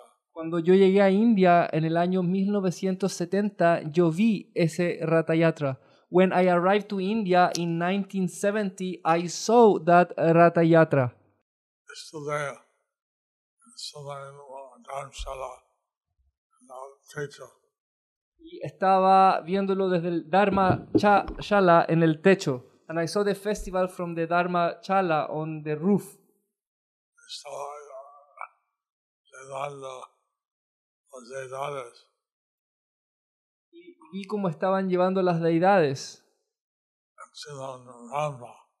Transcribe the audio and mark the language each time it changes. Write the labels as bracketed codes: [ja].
[es] cuando yo llegué a India en el año 1970, yo vi ese Ratha Yatra. [en] When I arrived to India in 1970, I saw that Ratha Yatra. It's still there. It's still there in Dharamsala, in our techo. [es] Y estaba viéndolo desde el Dharma Chala en el techo. [en] And I saw the festival from the Dharma Chala on the roof. [es] Estaba llevando las deidades. Y vi cómo estaban llevando las deidades. Encima de una rampa.